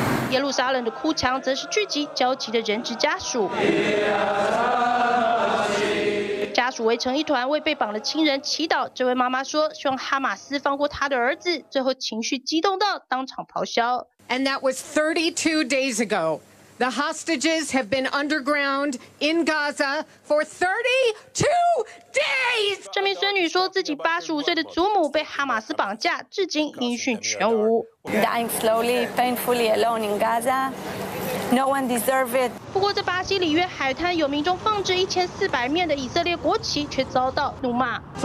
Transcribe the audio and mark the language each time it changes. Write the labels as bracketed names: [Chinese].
[Chinese] 耶路撒冷的哭墙则是聚集焦急的人质家属，家属围成一团为被绑的亲人祈祷。这位妈妈说希望哈马斯放过她的儿子，最后情绪激动到当场咆哮。 [English] And that was 32 days ago. The hostages have been underground in Gaza for 32 days. [Chinese] 这名孙女说自己85岁的祖母被哈马斯绑架，至今音讯全无。 [English] Dying slowly, painfully alone in Gaza. No one deserves it. [Chinese] 不过，在巴西里约海滩，有民众放置1400面的以色列国旗，却遭到怒骂。